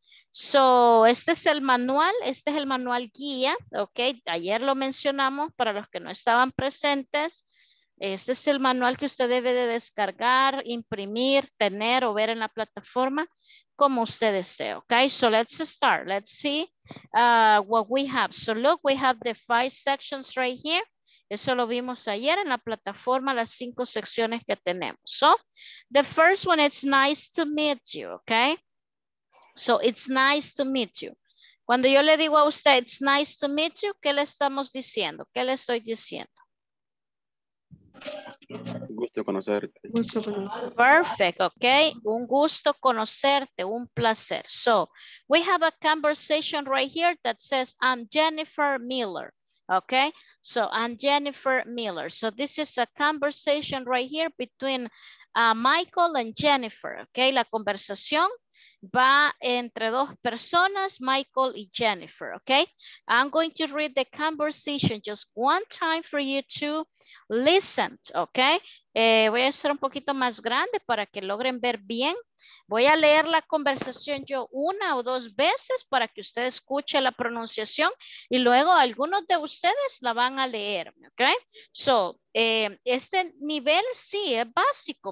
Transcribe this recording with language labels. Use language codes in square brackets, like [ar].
[es] So este es el manual, este es el manual guía, okay. Ayer lo mencionamos para los que no estaban presentes. Este es el manual que usted debe de descargar, imprimir, tener o ver en la plataforma como usted desee, okay. [en] So let's start, let's see what we have. So look, we have the five sections right here. [es] Eso lo vimos ayer en la plataforma, las cinco secciones que tenemos. [en] So, the first one, it's nice to meet you, okay? So, it's nice to meet you. [es] Cuando yo le digo a usted, [en] it's nice to meet you, [es] ¿qué le estamos diciendo? ¿Qué le estoy diciendo? Gusto conocerte. Gusto conocerte. Perfect, okay. Un gusto conocerte, un placer. [en] So, we have a conversation right here that says, I'm Jennifer Miller. Okay, so I'm Jennifer Miller. So this is a conversation right here between Michael and Jennifer. [es] Okay, la conversación va entre dos personas, Michael y Jennifer. [en] Okay, I'm going to read the conversation just one time for you to listen. [es] Okay, voy a hacer un poquito más grande para que logren ver bien. Voy a leer la conversación yo una o dos veces para que usted escuche la pronunciación y luego algunos de ustedes la van a leer, ¿ok? So, este nivel sí es básico.